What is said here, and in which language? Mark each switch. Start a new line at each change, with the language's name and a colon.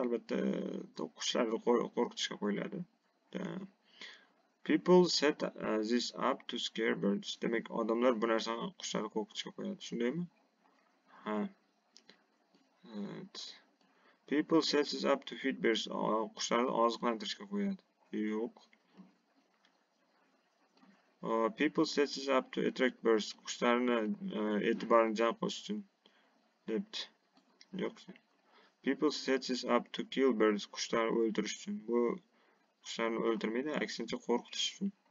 Uzbek: Albatta, o'quvchilarni qo'rqitishga qo'yiladi.
English: People set this up to scare birds.
Uzbek: Demak, odamlar bu narsani qushlarni qo'rqitishga qo'yadi, shundaymi? Ha.
English: People set this up to feed birds.
Uzbek: Qushlarni oziqlantirishga qo'yadi. Yo'q.
English: People set this up to attract birds.
Uzbek: Qushlarni e'tiborini jalb qilish uchun debdi. Yo'q.
English: People set this up to kill birds.
Uzbek: Qushlarni o'ldirish uchun. Bu qushlarni o'ldirmaydi, aksincha qo'rqitish uchun.